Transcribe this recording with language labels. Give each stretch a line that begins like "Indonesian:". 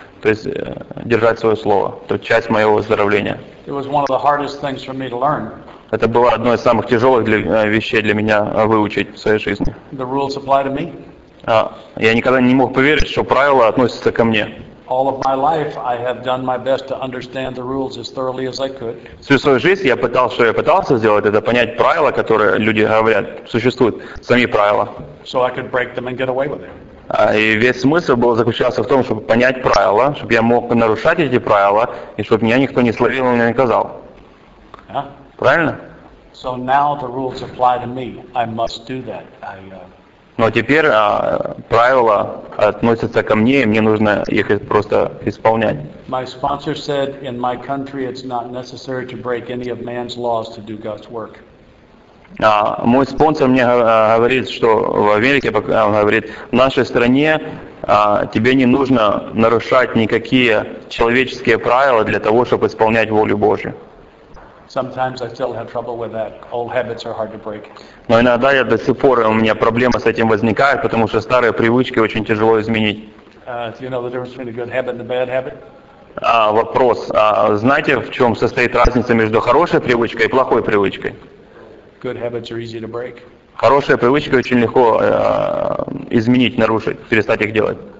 Russian: То есть держать свое слово. То часть моего выздоровления.
English: It was one of the hardest things for me to learn.
Russian: Это было одно из самых тяжелых вещей для меня выучить в своей жизни.
English: The rules apply to me.
Russian: Я никогда не мог поверить, что правила относятся ко мне.
English: All of my life, I have done my best to understand the rules as thoroughly as I could.
Russian: Всю свою жизнь я пытался сделать это понять правила, которые люди говорят существуют, сами правила.
English: So I could break them and get away with it.
Russian: И весь смысл был заключался в том, чтобы понять правила, чтобы я мог нарушать эти правила, и чтобы меня никто не словил и не наказал.
English: Yeah.
Russian: Правильно?
English: So now the rules apply to me. I must do that.
Russian: Но теперь правила относятся ко мне, и мне нужно их просто исполнять.
English: My sponsor said, in my country it's not necessary to break any of man's laws to do God's work.
Russian: Мой спонсор мне говорит, что в Америке, он говорит, в нашей стране тебе не нужно нарушать никакие человеческие правила для того, чтобы исполнять волю Божию.
English: Sometimes I still have trouble with that. Old habits are hard to break.
Russian: Но иногда я до сих пор, у меня проблема с этим возникает, потому что старые привычки очень тяжело изменить.
English: Do you know the difference between a good habit and a bad habit?
Russian: Вопрос. Знаете, в чем состоит разница между хорошей привычкой и плохой привычкой?
English: Good habits are easy to break.
Russian: Хорошие привычки очень легко изменить, нарушить, перестать их делать.